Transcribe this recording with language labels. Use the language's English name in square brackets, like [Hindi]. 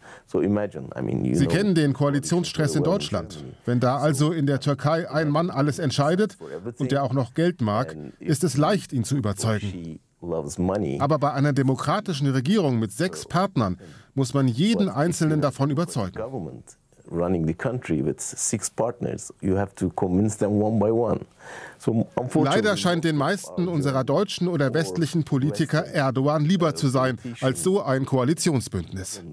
[German] Sie kennen den Koalitionsstress in Deutschland. Wenn da also in der Türkei ein Mann alles entscheidet und der auch noch Geld mag, ist es leicht, ihn zu überzeugen. Aber bei einer demokratischen Regierung mit 6 Partnern muss man jeden Einzelnen davon überzeugen. [English] Running the country with 6 partners, you have to convince them one by one. [German] So, leider scheint den meisten unserer deutschen oder westlichen Politiker Erdogan lieber zu sein als so ein Koalitionsbündnis.